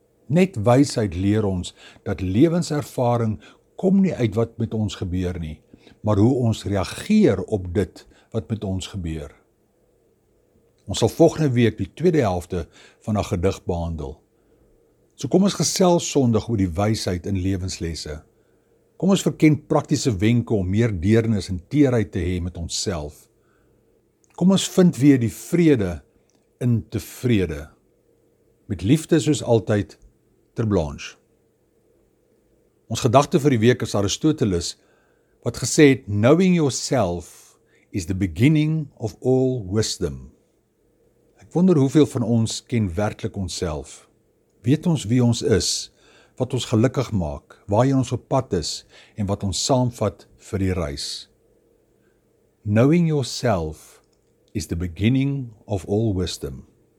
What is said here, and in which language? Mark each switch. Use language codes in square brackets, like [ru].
[af] Net wysheid leer ons, dat lewenservaring kom nie uit wat met ons gebeur nie, maar hoe ons reageer op dit wat met ons gebeur. Ons sal volgende week die tweede helfte van 'n gedig behandel. So kom ons gesels sondig oor die wysheid in lewenslesse. Kom ons verken praktiese wenke om meer deernis en teerheid te hê met onsself. Kom ons vind weer die vrede in tevrede. Met liefde soos altyd, Ter Blanche. Ons gedagte vir die week is Aristoteles, wat gesê het, [en] knowing yourself is the beginning of all wisdom. [af] Wonder hoeveel van ons ken werklik onsself. Weet ons wie ons is, wat ons gelukkig maak, waarheen ons op pad is en wat ons saamvat vir die reis. [en] Knowing yourself is the beginning of all wisdom.